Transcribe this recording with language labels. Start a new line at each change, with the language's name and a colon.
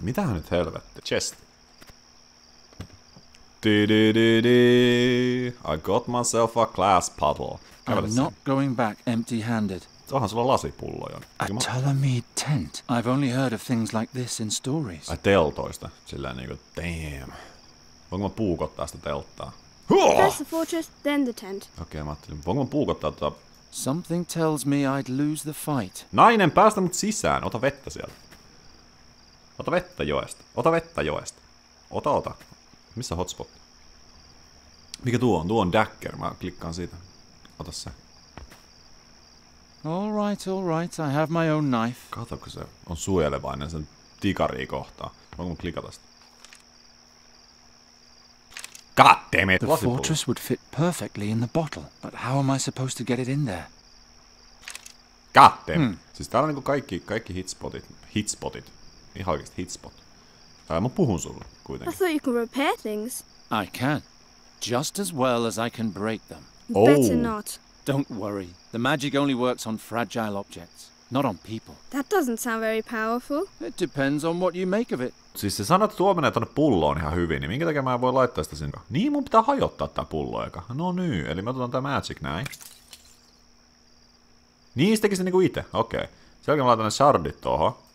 Finnish: Mitä on nyt helvetti? Chest.
English: I got myself a glass bottle. I'm not going back empty-handed.
Finnish: Onhan sulla lasipulloja.
English: A Ptolemy tent. I've only heard of things like this in stories.
Finnish: A teltoista. Sillä niinku,
English: damn.
Finnish: Voinko mä puukottaa sitä telttaa?
English: First the fortress, then the tent.
Finnish: Okei, mä ajattelin. Voinko mä puukottaa tota...
English: Something tells me I'd lose the fight.
Finnish: Nainen, päästä mut sisään. Ota vettä sieltä. Ota vettä joesta. Ota vettä joesta. Ota. Missä hotspot? Mikä tuo on? Tuo on Dagger. Mä klikkaan siitä. Ota se.
English: All right. I have my own knife.
Finnish: Katsokko se on suojelevainen sen tikarii kohtaan. Voinko mä klikata sitä?
English: God damn it. The fortress would fit perfectly in the bottle, but how am I supposed to get it in there? God damn.
Finnish: Siis täällä on niinku kaikki hitspotit. Ihan oikeesti hitspot. Mä puhun sulle kuitenkin.
English: I thought you could repair things. I can. Just as well as I can break them. Oh. Better not. Don't worry. The magic only works on fragile objects, not on people. That doesn't sound very powerful. It depends on what you make of it.
Finnish: Siis se sanoo, että tuo menee tonne pulloon ihan hyvin, niin minkä takia mä en voi laittaa sitä sinne? Niin, mun pitää hajottaa tää pullo eka. No niin, eli mä otan tää magic näin. Niin, sitäkin se niinku ite, okei. Selkä, mä laitan ne shardit tuohon.